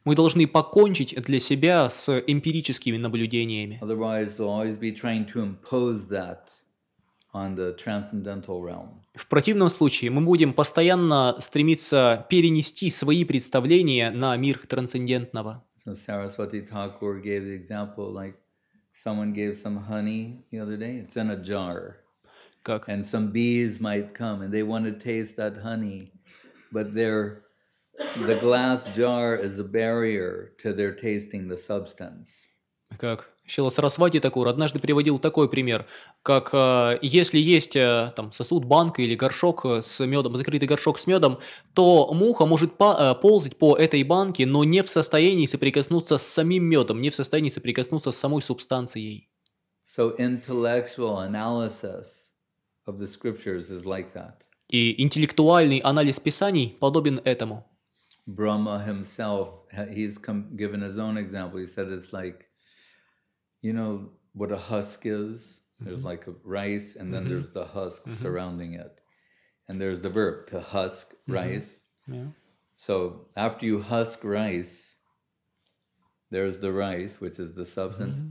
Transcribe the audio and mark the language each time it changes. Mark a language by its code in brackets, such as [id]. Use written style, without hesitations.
[ru] Мы должны покончить для себя с эмпирическими наблюдениями. [en] Otherwise, they'll always be trying to impose that on the transcendental realm. [ru] В противном случае мы будем постоянно стремиться перенести свои представления на мир трансцендентного. [en] So Saraswati Thakur gave the example, like someone gave some honey the other day, it's in a jar. [ru] Как? [en] And some bees might come and they want to taste that honey, but the glass jar is a barrier to their tasting the substance. [ru] Как? Шрила Сарасвати Такур однажды приводил такой пример, как если есть там сосуд, банка или горшок с медом, закрытый горшок с медом, то муха может ползать по этой банке, но не в состоянии соприкоснуться с самим медом, не в состоянии соприкоснуться с самой субстанцией. [en] So intellectual analysis of the scriptures is like that. [ru] И интеллектуальный анализ писаний подобен этому. [en] Brahma himself, he's given his own example. He said it's like, you know, what a husk is. There's like a rice, and then there's the husk surrounding it, and there's the verb to husk rice. Yeah. So after you husk rice, there's the rice, which is the substance.